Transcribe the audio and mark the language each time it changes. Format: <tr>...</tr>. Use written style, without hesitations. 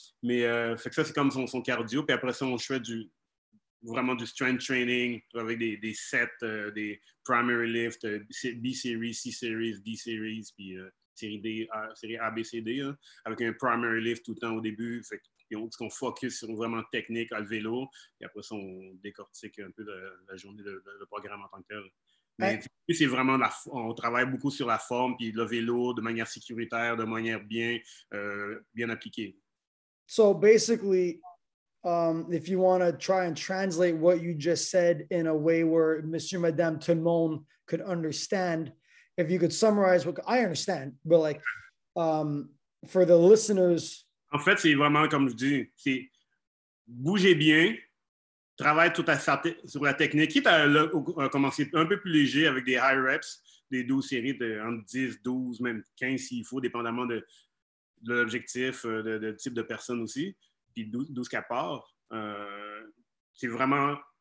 <fr>Mais fait que ça, c'est comme son cardio. Puis après ça, on fait vraiment du strength training avec des sets, des primary lift, B-series, C-series, D-series, puis série A, B, C, D, hein, avec un primary lift tout le temps au début. Fait que, et on focus sur vraiment technique à le vélo. Et après ça, on décortique un peu la journée, le programme en tant que tel. Mais c'est vraiment, on travaille beaucoup sur la forme puis le vélo de manière sécuritaire, de manière bien, bien appliquée.</fr> <en>So basically, if you want to try and translate what you just said in a way where Monsieur, Madame, tout le monde could understand, if you could summarize what I understand, but like for the listeners...</en> <fr>En fait, c'est vraiment comme je dis, c'est bouger bien, travaille tout à sur la technique, quitte à commencer un peu plus léger avec des high reps, des 12 séries entre 10, 12, même 15 s'il faut, dépendamment de l'objectif, de type de personne aussi, puis 12 qu'à part. C'est vraiment</fr>